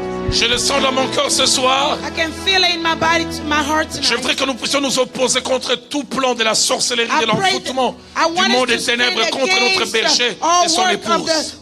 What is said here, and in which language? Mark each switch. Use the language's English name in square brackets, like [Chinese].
[French] Je le sens dans mon cœur ce soir. [English] I can feel it in my body, my heart tonight. [French] Je voudrais que nous puissions nous opposer contre tout plan de la sorcellerie, de l'enfoutement du monde des ténèbres contre notre berger et son épouse.